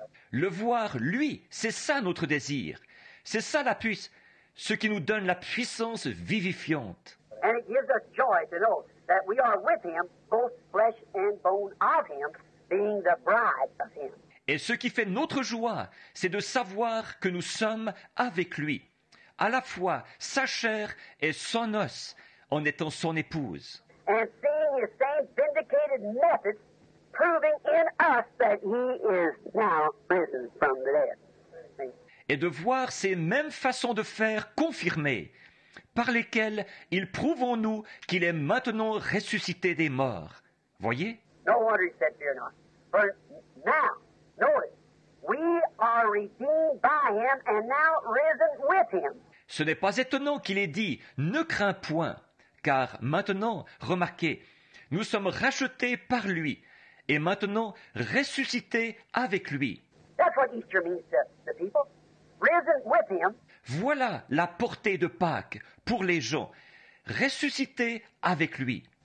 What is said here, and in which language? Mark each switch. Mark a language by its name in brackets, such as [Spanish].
[French] Le voir, lui, c'est ça notre désir. C'est ça la puce, ce qui nous donne la puissance vivifiante. [English] And it gives us joy to know that we are with him, both flesh and bone of him, being the bride of him. [French] Et ce qui fait notre joie, c'est de savoir que nous sommes avec lui, à la fois sa chair et son os, en étant son épouse. [English] And seeing his same vindicated methods, proving in us that he is now risen from the dead. [French] Et de voir ces mêmes façons de faire confirmées, par lesquelles il prouve en nous qu'il est maintenant ressuscité des morts. Voyez ? [English] No wonder he said, fear not. For now, notice, we are redeemed by him and now risen with him. [French] Ce n'est pas étonnant qu'il ait dit, ne crains point, car maintenant, remarquez, nous sommes rachetés par lui et maintenant ressuscités avec lui. [English] That's what Easter means to the people. Risen with him. [French] Voilà la portée de Pâques pour les gens, ressuscité avec lui.